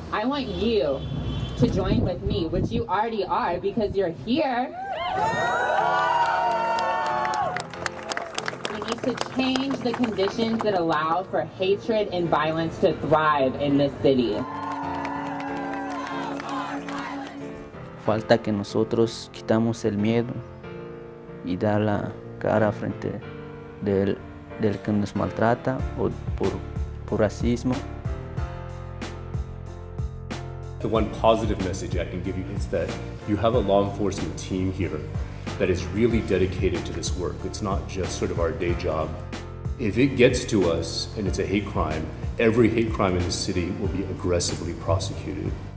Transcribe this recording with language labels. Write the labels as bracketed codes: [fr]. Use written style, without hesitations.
[en] I want you to join with me, which you already are because you're here. To change the conditions that allow for hatred and violence to thrive in this city. [es] Falta que nosotros quitamos el miedo y dar la cara frente del que nos maltrata o por racismo. [en] The one positive message I can give you is that you have a law enforcement team here that is really dedicated to this work. It's not just sort of our day job. If it gets to us and it's a hate crime, every hate crime in the city will be aggressively prosecuted.